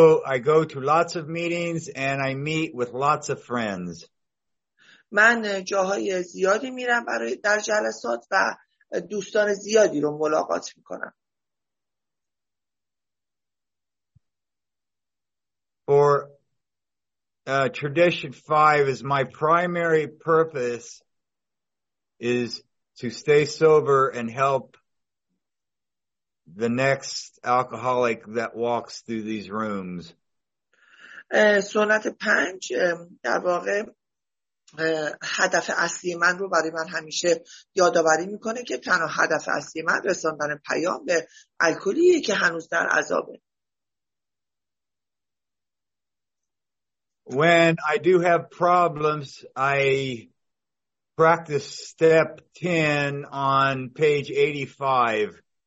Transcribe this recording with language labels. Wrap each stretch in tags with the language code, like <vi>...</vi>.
<en>I go to lots of meetings and I meet with lots of friends.</en> <fa>من جاهای زیادی میرم برای در جلسات و دوستان زیادی رو ملاقات می‌کنم.</fa> <en>For tradition 5 is my primary purpose is to stay sober and help the next alcoholic that walks through these rooms.</en> <fa>سنت 5 در واقع هدف اصلی من رو برای من همیشه یادآوری میکنه که تنها هدف اصلی من رساندن پیام به الکلیه که هنوز در عذابه.</fa> <en>When I do have problems, I practice step 10 on page 85.</en>